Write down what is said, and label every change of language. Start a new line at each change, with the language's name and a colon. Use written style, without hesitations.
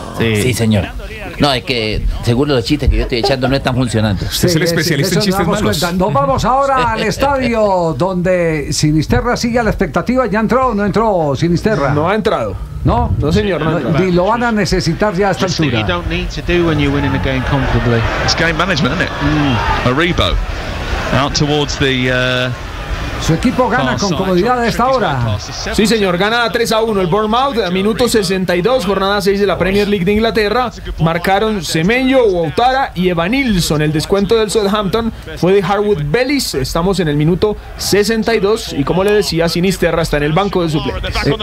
Spanish: Sí, señor. No, es que seguro los chistes que yo estoy echando no están funcionando. Usted es el especialista en chistes malos. Nos vamos ahora al estadio donde Sinisterra sigue a la expectativa. ¿Ya entró o no entró Sinisterra? No ha entrado. ¿No? No, señor, no entró. Y lo van a necesitar ya a esta altura.
English: You don't need to do when you're winning a game comfortably. It's game management, isn't it? Aribo. Out towards the...
Spanish: Su equipo gana con comodidad a esta hora. Sí, señor, gana 3-1 el Bournemouth, a minuto 62, jornada 6 de la Premier League de Inglaterra. Marcaron Semenyo, Ouattara y Evan Nilsson. El descuento del Southampton fue de Harwood Bellis. Estamos en el minuto 62 y, como le decía, Sinisterra está en el banco de suplentes.